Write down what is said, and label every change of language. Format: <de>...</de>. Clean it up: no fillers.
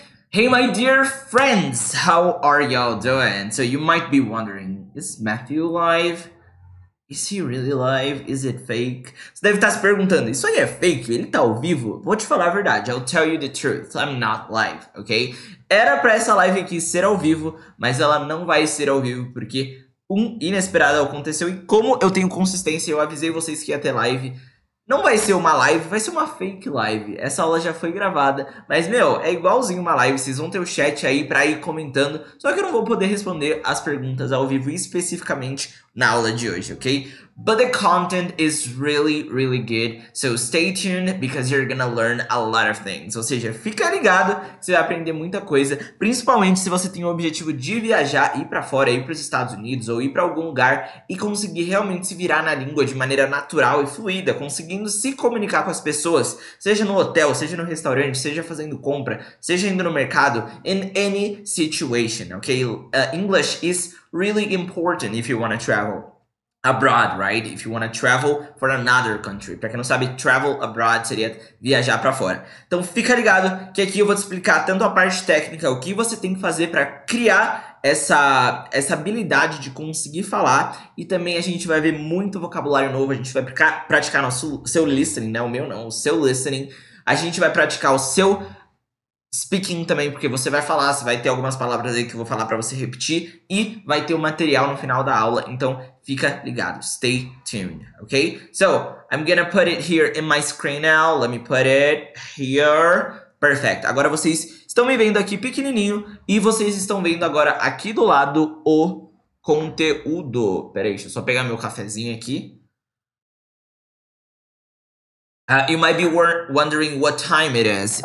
<en>Hey, my dear friends, how are y'all doing? So you might be wondering, is Matthew alive? Is he really alive? Is it fake?</en> <pt>Você deve estar se perguntando, isso aí é fake? Ele tá ao vivo? Vou te falar a verdade,</pt> <en>I'll tell you the truth, I'm not live, ok?</en> <pt>Era pra essa live aqui ser ao vivo, mas ela não vai ser ao vivo porque um inesperado aconteceu e como eu tenho consistência, eu avisei vocês que ia ter live. Não vai ser uma live, vai ser uma fake live. Essa aula já foi gravada, mas, meu, é igualzinho uma live. Vocês vão ter o chat aí pra ir comentando, só que eu não vou poder responder as perguntas ao vivo especificamente na aula de hoje, ok?</pt> <en>But the content is really, really good, so stay tuned because you're gonna learn a lot of things.</en> <pt>Ou seja, fica ligado, você vai aprender muita coisa, principalmente se você tem o objetivo de viajar, ir pra fora, ir pros Estados Unidos ou ir pra algum lugar e conseguir realmente se virar na língua de maneira natural e fluida, conseguindo se comunicar com as pessoas, seja no hotel, seja no restaurante, seja fazendo compra, seja indo no mercado,</pt> <en>in any situation, ok? English is really important if you want to travel abroad, right? If you want to travel for another country.</en> <pt>Pra quem não sabe,</pt> <en>travel abroad</en> <pt>seria viajar pra fora. Então fica ligado que aqui eu vou te explicar tanto a parte técnica, o que você tem que fazer pra criar essa habilidade de conseguir falar, e também a gente vai ver muito vocabulário novo, a gente vai praticar seu listening, né? O meu não, o seu listening. A gente vai praticar o seu speaking também, porque você vai falar, você vai ter algumas palavras aí que eu vou falar pra você repetir, e vai ter o material no final da aula, então fica ligado,</pt> <en>stay tuned, ok? So, I'm gonna put it here in my screen now, let me put it here, perfect.</en> <pt>Agora vocês estão me vendo aqui pequenininho, e vocês estão vendo agora aqui do lado o conteúdo. Peraí, deixa eu só pegar meu cafezinho aqui.</pt> <en>You might be wondering what time it is.</en>